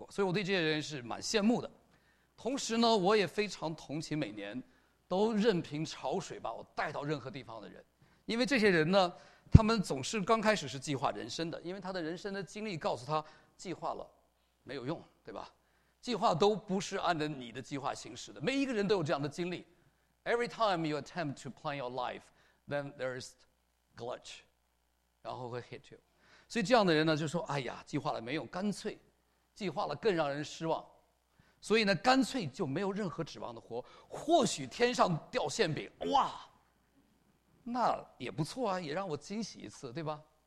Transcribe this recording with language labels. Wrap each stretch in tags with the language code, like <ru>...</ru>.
<zh>所以我对这些人是蛮羡慕的。同时呢，我也非常同情每年都任凭潮水把我带到任何地方的人，因为这些人呢，他们总是刚开始是计划人生的，因为他的人生的经历告诉他，计划了没有用，对吧？计划都不是按照你的计划行事的。每一个人都有这样的经历。</zh> <en>Every time you attempt to plan your life, then there's glitch,</en> <zh>然后会</zh> <en>hit you.</en> <zh>所以这样的人呢，就说：“哎呀，计划了没用，干脆计划了更让人失望。” 所以呢，干脆就没有任何指望的活。或许天上掉馅饼，哇，那也不错啊，也让我惊喜一次，对吧？</zh>